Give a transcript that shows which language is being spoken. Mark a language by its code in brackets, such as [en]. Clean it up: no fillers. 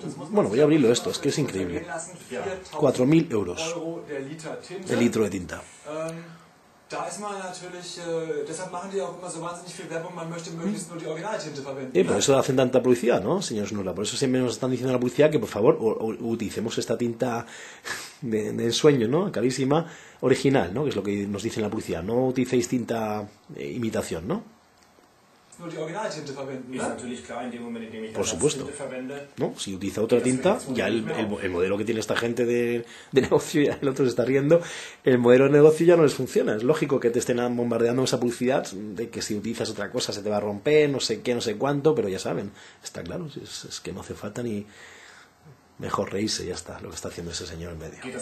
[es] Bueno, voy a abrirlo esto, es que es increíble. 4.000 euros el litro de tinta. [de] Da ist man natürlich, deshalb machen die auch immer so wahnsinnig viel Werbung, man möchte möglichst nur die Originaltinte verwenden. [es] Por eso hacen tanta publicidad, ¿no, señor Schnuller? Por eso siempre nos están diciendo la publicidad que, por favor, utilicemos esta tinta de ensueño, ¿no? Carísima, original, ¿no? Que es lo que nos dicen la publicidad. No utilicéis tinta imitación, ¿no? [de] Nur die Originaltinte verwenden, ist natürlich klar, in dem Moment, in dem ich [es] por supuesto, ¿no? Si utiliza otra tinta, ya el modelo que tiene esta gente de negocio, ya el otro se está riendo, el modelo de negocio ya no les funciona. Es lógico que te estén bombardeando esa publicidad de que si utilizas otra cosa se te va a romper, no sé qué, no sé cuánto, pero ya saben, está claro, es que no hace falta ni mejor reírse, ya está, lo que está haciendo ese señor en medio.